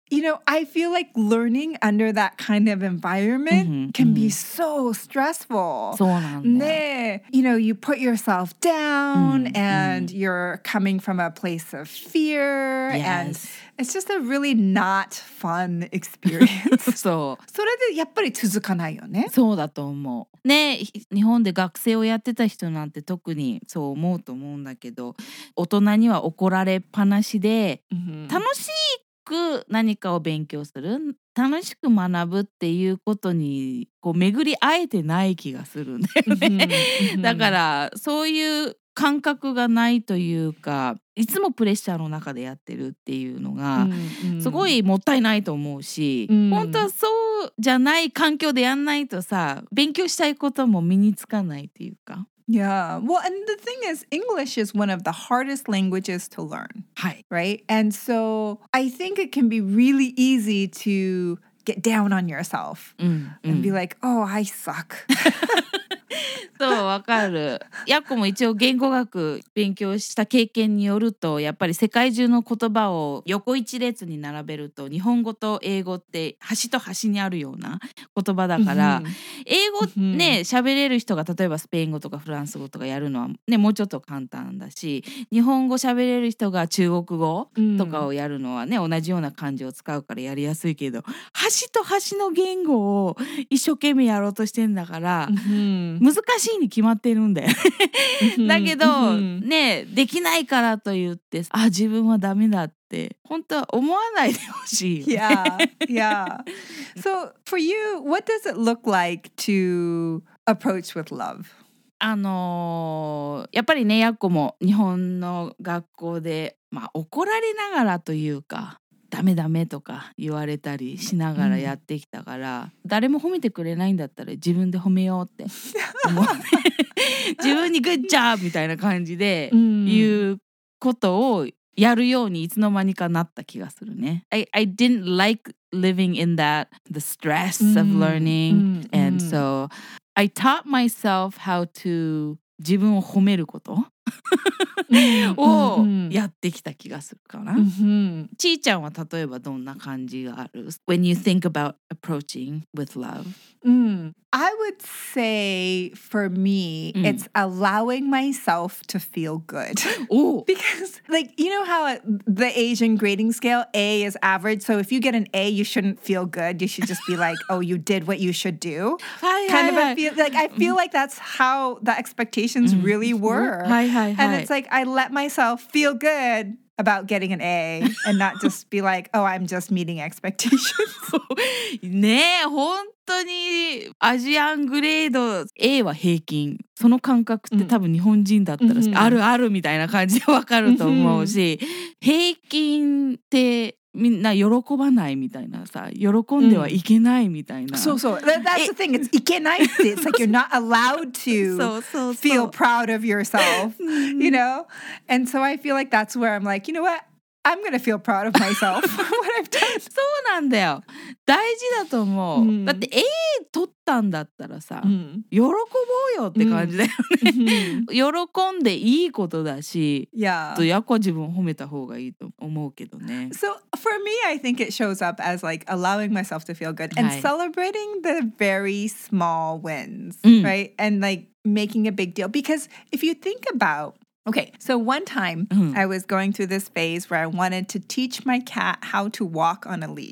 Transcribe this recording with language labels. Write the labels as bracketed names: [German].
[English] you know, I feel like learning under that kind of environment can be so stressful. [Japanese] そうなんだ。 [English] ね、you know, you put yourself down and you're coming from a place of fear and it's just a really not fun experience. [Japanese] そう。それでやっぱり続かないよね。そうだと思う。ね、日本で学生をやってた人なんて特にそう思うと思うんだけど、大人には怒られっぱなしで、楽しい何かを勉強する楽しく学ぶっていうことにこう巡り会えてない気がするんだよね、だからそういう感覚がないというかいつもプレッシャーの中でやってるっていうのがすごいもったいないと思うし、本当はそうじゃない環境でやんないとさ勉強したいことも身につかないっていうか。 [English] Yeah. Well, and the thing is, English is one of the hardest languages to learn. Hi. Right? And so I think it can be really easy to get down on yourself and be like, oh, I suck. [Japanese] そう、わかる。ヤッコも一応言語学勉強した経験によるとやっぱり世界中の言葉を横一列に並べると日本語と英語って端と端にあるような言葉だから英語ね喋れる人が例えばスペイン語とかフランス語とかやるのは、ね、もうちょっと簡単だし日本語喋れる人が中国語とかをやるのはね同じような漢字を使うからやりやすいけど端と端の言語を一生懸命やろうとしてんだから難しいに決まってるんだよだけどねできないからと言ってあ自分はダメだって本当は思わないでほしいよね [English] Yeah, yeah. So for you, what does it look like to approach with love? [Japanese] やっぱりねやっこも日本の学校で、まあ、怒られながらというかダメダメとか言われたりしながらやってきたから、誰も褒めてくれないんだったら自分で褒めようって思う自分にグッジャーみたいな感じで言うことをやるようにいつの間にかなった気がするね。 [English] I didn't like living in that, the stress of learning. And so I taught myself how to [Japanese] 自分を褒めることをやってきた気がするかな。ちーちゃんは例えばどんな感じがある [English] When you think about approaching with love. I would say for me, it's allowing myself to feel good. Because like, you know how the Asian grading scale, A is average. So if you get an A, you shouldn't feel good. You should just be like, oh, you did what you should do. Kind of a feel, like, I feel like that's how the expectations really were. And it's like, I let myself feel good about getting an A and not just be like, oh, I'm just meeting expectations. [Japanese] ねえ、本当にアジアングレード A は平均。その感覚って多分日本人だったら、あるあるみたいな感じでわかると思うし、平均ってみんな喜ばないみたいなさ、喜んではいけないみたいな。そうそう。 [English] That's the thing. It's [Japanese] いけないって。 [English] It's like you're not allowed to feel proud of yourself. You know? And so I feel like that's where I'm like, you know what? I'm gonna feel proud of myself for what I've done. [Japanese] そうなんだよ。大事だと思う。だって A 取ったんだったらさ、喜ぼうよって感じだよね。喜んでいいことだし、とやこ自分を褒めた方がいいと思うけどね。 [English] So for me, I think it shows up as like allowing myself to feel good and celebrating the very small wins, right? And like making a big deal. Because if you think about,Okay, so one time I was going through this phase where I wanted to teach my cat how to walk on a leash.